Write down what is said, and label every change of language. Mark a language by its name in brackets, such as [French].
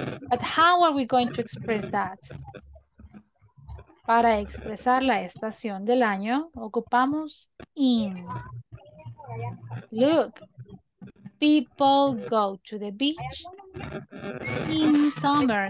[English] But how are we going to express that? [Spanish] Para expresar la estación del año, ocupamos in. [English] Look, people go to the beach in summer.